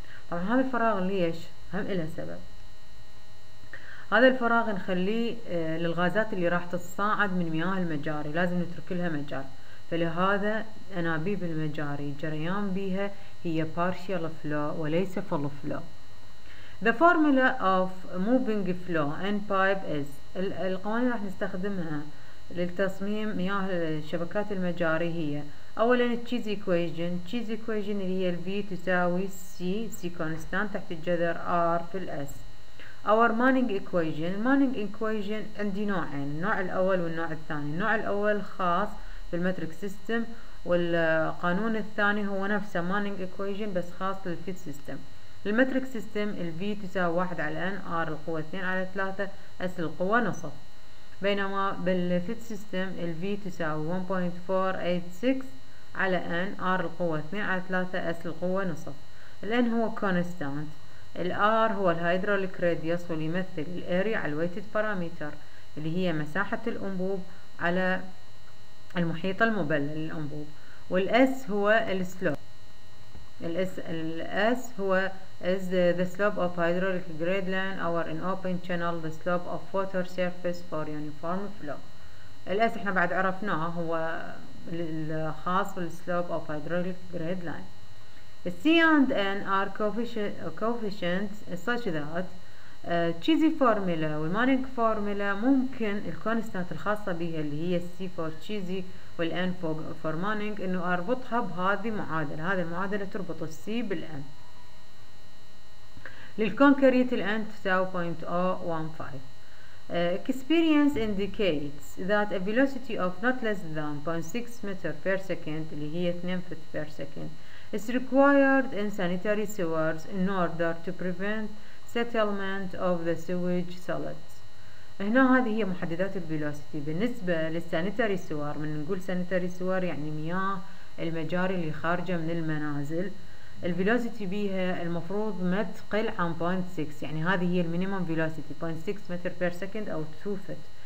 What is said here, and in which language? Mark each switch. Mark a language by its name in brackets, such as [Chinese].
[Arabic] طبعا هذا الفراغ ليش هم إلى سبب، هذا الفراغ نخليه للغازات اللي راح تتصاعد من مياه المجاري، لازم نترك لها مجال. فلهذا أنابيب المجاري جريان بها هي partial flow وليس full flow. [English] The formula of moving flow and pipe is. [Arabic] القوانين راح نستخدمها للتصميم مياه الشبكات المجاري هي أولا Cheese equation. Cheese equation اللي هي ال V تساوي C، C constant تحت الجذر R في ال S. [English] Our Manning equation. [Arabic] Manning equation عندي نوعين، النوع الأول والنوع الثاني. النوع الأول خاص بالمتريك سيستم، والقانون الثاني هو نفسه Manning equation بس خاص للفيد سيستم. المتريك سيستم ال V تساوي 1 على N، R القوة 2 على 3، S القوة نصف. بينما بالفيد سيستم ال V تساوي 1.486 على N، R القوة 2 على 3، S القوة نصف. ال N هو constant، الR هو الهيدروليك راديوس، واللي يمثل الاريا على الويتد باراميتر اللي هي مساحة الأنبوب على المحيط المبلل للأنبوب، والS هو السلوب، الS هو [English] is the slope of hydraulic grade line or an open channel the slope of water surface for uniform flow. [Arabic] الاس احنا بعد عرفناها هو الخاص بالسلوب [English] of hydraulic grade line. C and N are coefficients such that cheesy formula [Arabic] والmanning formula ممكن الكونستانت الخاصة بها اللي هي C for cheesy والN for manning انه اربطها بهذه المعادلة. هذه المعادلة تربط C بالN. للكونكريت الN تساوي 0.015. [English] Experience indicates that a velocity of not less than 0.6 meter per second [Arabic] اللي هي [English] 2 foot per second is required in sanitary sewers in order to prevent settlement of the sewage solids. [Arabic] هنا هذه هي محددات الفيلوسيتي بالنسبة للسانيتاري سوار. من نقول سانيتاري سوار يعني مياه المجاري اللي خارجة من المنازل. الفيلوسيتي بيها المفروض ما تقل عن 0.6، يعني هذه هي المينيمم فيلوسيتي 0.6 متر بير سكند او 2 فت.